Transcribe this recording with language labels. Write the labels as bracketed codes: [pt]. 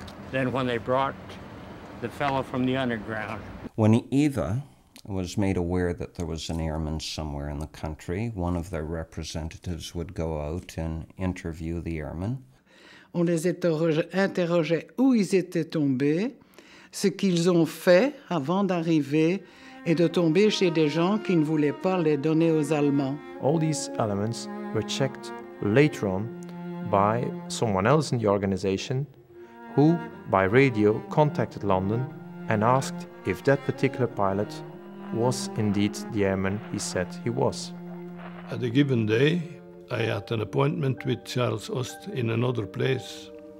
[en] Then when they brought the fellow from the underground. When Eva was made aware that there was an airman somewhere in the country, one of their representatives would go out and interview the airman. [fr] On les interrogeait où ils étaient tombés, ce qu'ils ont fait avant d'arriver et de tomber chez des gens qui ne voulaient pas les donner aux Allemands. [en] All these elements were checked later on by someone else in the organization who, by radio, contacted London and asked if that particular pilot was indeed the airman he said he was. At a given day, I had an appointment with Charles Ost in another place.